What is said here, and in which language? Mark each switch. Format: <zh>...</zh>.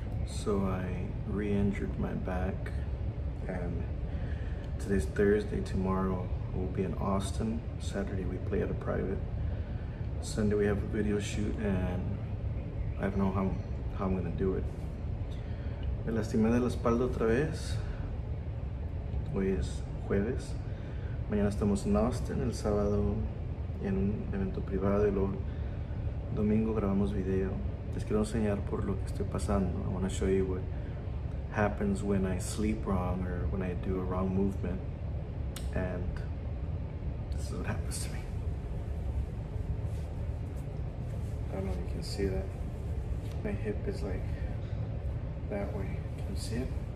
<en>So I re-injured my back, and today's Thursday. Tomorrow we'll be in Austin. Saturday we play at a private. Sunday we have a video shoot, and I don't know how I'm gonna do it.</en> <es>Me lastimé de la espalda otra vez. Hoy es jueves. Mañana estamos en Austin, el sábado en un evento privado, y luego domingo grabamos video. Les quiero enseñar por lo que estoy pasando.</es> <en>I want to show you what happens when I sleep wrong or when I do a wrong movement. And this is what happens to me. I don't know if you can see that. My hip is like that way. Can you see it?</en>